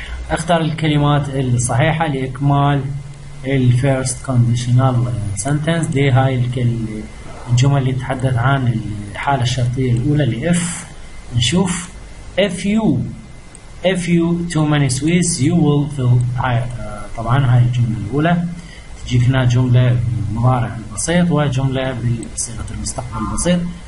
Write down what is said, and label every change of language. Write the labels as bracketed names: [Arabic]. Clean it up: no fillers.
[Arabic] اختار الكلمات الصحيحة لإكمال الفيرست [English] conditional sentence. [Arabic] دي هاي الكلمة. الجمل اللي تحدث عن الحالة الشرطية الأولى اللي if. نشوف [English] if you too many sweets you will feel tired. [Arabic] طبعا هاي الجملة الأولى تجيك هنا جملة بالمضارع البسيط وجملة بصيغة المستقبل البسيط.